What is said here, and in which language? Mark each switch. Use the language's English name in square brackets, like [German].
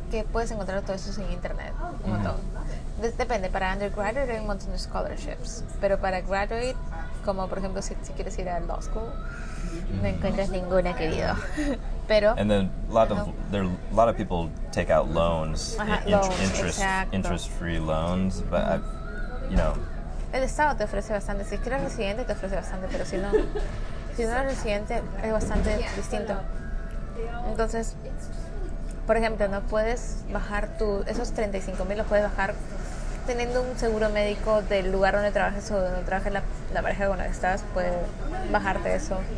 [Spanish] Que puedes encontrar todo eso en internet, un montón. Mm-hmm. Depende, para undergraduate hay un montón de scholarships, pero para graduate, como por ejemplo si quieres ir a law school, no encuentras ninguna, querido. Pero [English] and then a lot of people take out loans, interest free loans, but you know. [Spanish] El estado te ofrece bastante. Si es que eres residente te ofrece bastante, pero si no, si no eres residente es bastante distinto. Entonces, por ejemplo, no puedes bajar tu esos 35,000 los puedes bajar teniendo un seguro médico del lugar donde trabajes o donde trabajes la pareja con la que estás, puede bajarte eso.